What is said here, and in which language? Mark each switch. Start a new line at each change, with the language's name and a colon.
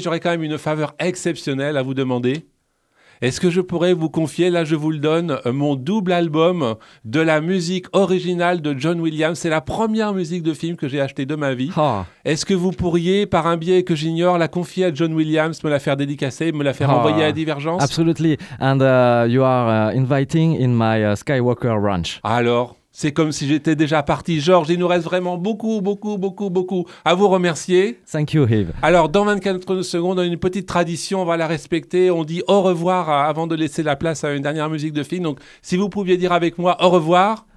French: J'aurais quand même une faveur exceptionnelle à vous demander. Est-ce que je pourrais vous confier, là je vous le donne, mon double album de la musique originale de John Williams? C'est la première musique de film que j'ai achetée de ma vie. Oh. Est-ce que vous pourriez, par un biais que j'ignore, la confier à John Williams, me la faire dédicacer, me la faire envoyer à Divergence?
English: Absolutely, and you are inviting in my Skywalker Ranch.
French: Alors, c'est comme si j'étais déjà parti. George, il nous reste vraiment beaucoup, beaucoup, beaucoup, beaucoup à vous remercier.
English: Thank you, Yves.
French: Alors, dans 24 secondes, on a une petite tradition, on va la respecter. On dit au revoir avant de laisser la place à une dernière musique de film. Donc, si vous pouviez dire avec moi au revoir.